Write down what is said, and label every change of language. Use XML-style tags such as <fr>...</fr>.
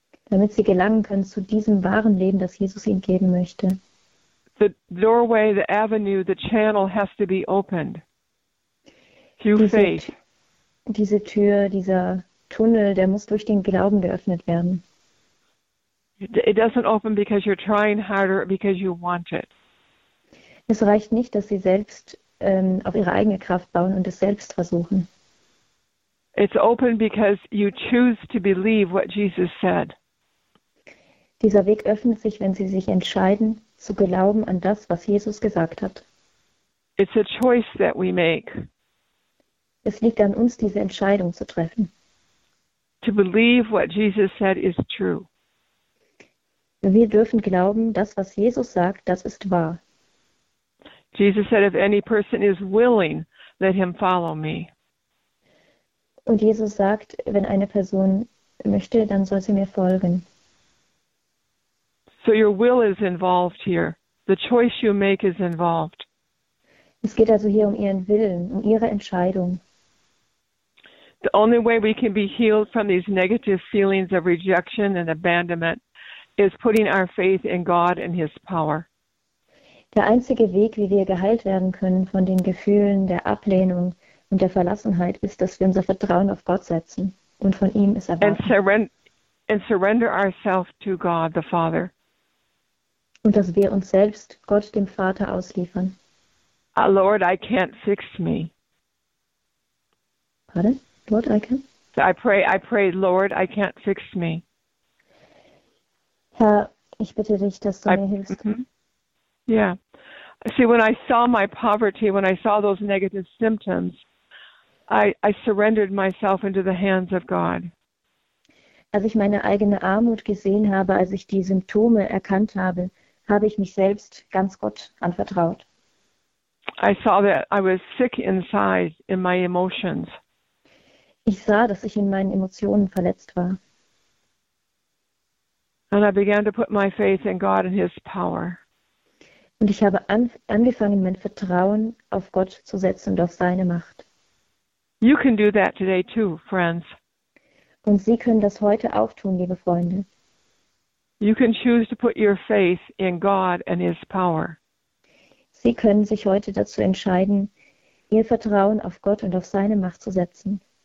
<de>Damit sie gelangen können zu diesem wahren Leben, das Jesus ihnen geben möchte.</de> <en>The doorway, the avenue, the channel has to be opened through faith.</en> <de>Diese Tür, dieser Tunnel, der muss durch den Glauben geöffnet werden.</de> <en>It doesn't open because you're trying harder or because you want it.</en> <de>Es reicht nicht, dass sie selbst auf ihre eigene Kraft bauen und es selbst versuchen.</de> <en>It's open because you choose to believe what Jesus said.</en> <de>Dieser Weg öffnet sich, wenn sie sich entscheiden, zu glauben an das, was Jesus gesagt hat.</de> <en>It's a choice that we make.</en> <de>Es liegt an uns, diese Entscheidung zu treffen.</de> <en>To believe what Jesus said is true.</en> <de>Wir dürfen glauben, das, was Jesus sagt, das ist wahr.</de> <en>Jesus said, if any person is willing, let him follow me.</en> <de>Und Jesus sagt, wenn eine Person möchte, dann soll sie mir folgen.</de> <en>So your will is involved here. The choice you make is involved.</en> <de>Es geht also hier um ihren Willen, um ihre Entscheidung.</de> <en>The only way we can be healed from these negative feelings of rejection and abandonment is putting our faith in God and his power.</en> <de>Der einzige Weg, wie wir geheilt werden können von den Gefühlen der Ablehnung und der Verlassenheit, ist, dass wir unser Vertrauen auf Gott setzen und von ihm es erwarten.</de> <en>And surrender ourselves to God, the Father.</en> <de>Und dass wir uns selbst Gott, dem Vater, ausliefern.</de> <en>Oh Lord, I can't fix me. Pardon? Lord, I can? So I pray, Lord, I can't fix me.</en> <de>Herr, ich bitte dich, dass du mir hilfst.</de> <en>Yeah. See, when I saw my poverty, when I saw those negative symptoms, I surrendered myself into the hands of God.</en> <de>Als ich meine eigene Armut gesehen habe, als ich die Symptome erkannt habe, habe ich mich selbst ganz Gott anvertraut.</de> <en>I saw that I was sick inside in my emotions.</en> <de>Ich sah, dass ich in meinen Emotionen verletzt war.</de> <en>And I began to put my faith in God and his power.</en> <de>Und ich habe angefangen, mein Vertrauen auf Gott zu setzen und auf seine Macht.</de> <en>You can do that today too, friends.</en> <de>Und Sie können das heute auch tun, liebe Freunde.</de> <en>You can choose to put your faith in God and his power.</en> <de>Sie können sich heute dazu entscheiden, Ihr Vertrauen auf Gott und auf seine Macht zu setzen.</de>